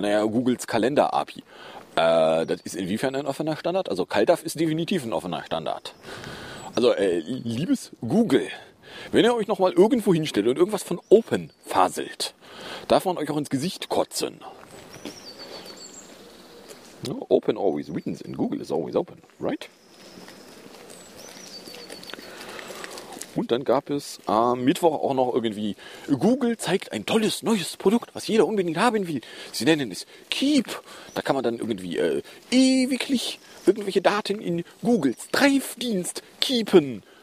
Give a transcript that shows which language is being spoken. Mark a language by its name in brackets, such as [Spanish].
[German] Naja, Googles Kalender-API. Das ist inwiefern ein offener Standard? Also CalDAV ist definitiv ein offener Standard. Also, liebes Google, wenn ihr euch nochmal irgendwo hinstellt und irgendwas von Open faselt, darf man euch auch ins Gesicht kotzen. [English] No, open always wins and Google is always open, right? [German] Und dann gab es am Mittwoch auch noch irgendwie, Google zeigt ein tolles neues Produkt, was jeder unbedingt haben will. Sie nennen es Keep. Da kann man dann irgendwie ewiglich irgendwelche Daten in Googles Drive-Dienst keepen.